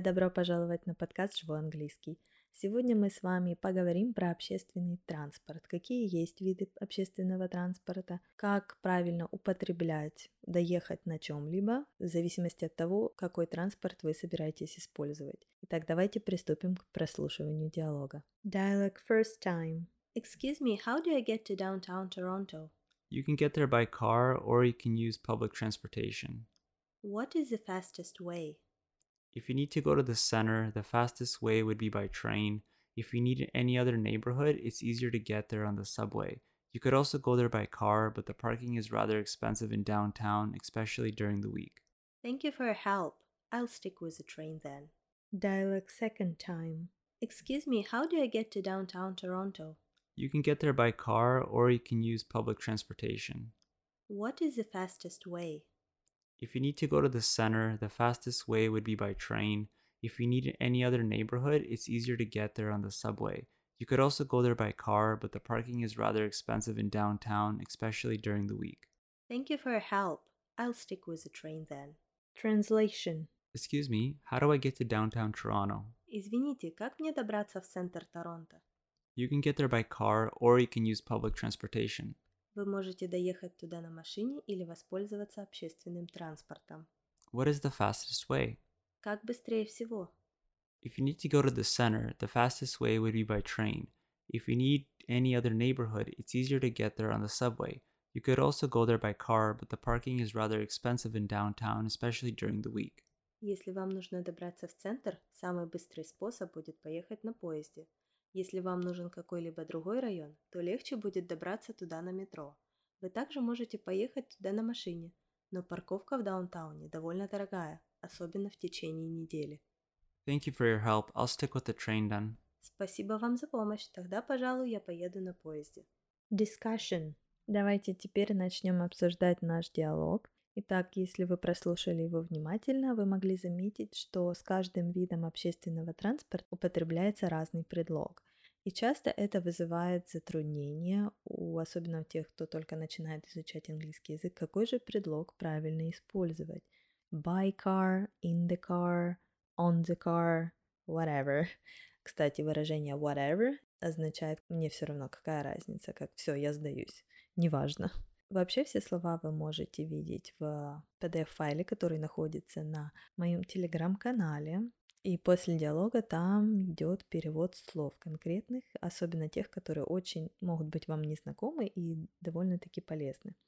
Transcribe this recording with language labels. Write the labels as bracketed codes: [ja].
[ru] Добро пожаловать на подкаст «Живой английский». Сегодня мы с вами поговорим про общественный транспорт. Какие есть виды общественного транспорта? Как правильно употреблять, доехать на чем-либо, в зависимости от того, какой транспорт вы собираетесь использовать. Итак, давайте приступим к прослушиванию диалога. [en] Dialog first time. Excuse me, how do I get to downtown Toronto? You can get there by car or you can use public transportation. What is the fastest way? If you need to go to the center, the fastest way would be by train. If you need any other neighborhood, it's easier to get there on the subway. You could also go there by car, but the parking is rather expensive in downtown, especially during the week. Thank you for your help. I'll stick with the train then. Dialogue second time. Excuse me, how do I get to downtown Toronto? You can get there by car or you can use public transportation. What is the fastest way? If you need to go to the center, the fastest way would be by train. If you need any other neighborhood, it's easier to get there on the subway. You could also go there by car, but the parking is rather expensive in downtown, especially during the week. Thank you for your help. I'll stick with the train then. Translation. Excuse me, how do I get to downtown Toronto? [ru] Извините, как мне добраться в центр Торонто? [en] You can get there by car or you can use public transportation. [ru] Вы можете доехать туда на машине или воспользоваться общественным транспортом. [en] What is the fastest way? [ru] Как быстрее всего? [en] If you need to go to the center, the fastest way would be by train. If you need any other neighborhood, it's easier to get there on the subway. You could also go there by car, but the parking is rather expensive in downtown, especially during the week. [ru] Если вам нужно добраться в центр, самый быстрый способ будет поехать на поезде. Если вам нужен какой-либо другой район, то легче будет добраться туда на метро. Вы также можете поехать туда на машине, но парковка в даунтауне довольно дорогая, особенно в течение недели. [en] Thank you for your help. I'll stick with the train then. [ru] Спасибо вам за помощь. Тогда, пожалуй, я поеду на поезде. [en] Discussion. [ru] Давайте теперь начнем обсуждать наш диалог. Итак, если вы прослушали его внимательно, вы могли заметить, что с каждым видом общественного транспорта употребляется разный предлог. И часто это вызывает затруднения, особенно у тех, кто только начинает изучать английский язык, какой же предлог правильно использовать. [en] By car, in the car, on the car, whatever. [ru] Кстати, выражение whatever означает «мне все равно, какая разница, как все, я сдаюсь, неважно». Вообще все слова вы можете видеть в PDF-файле, который находится на моем телеграм-канале. И после диалога там идет перевод слов конкретных, особенно тех, которые очень могут быть вам незнакомы и довольно-таки полезны.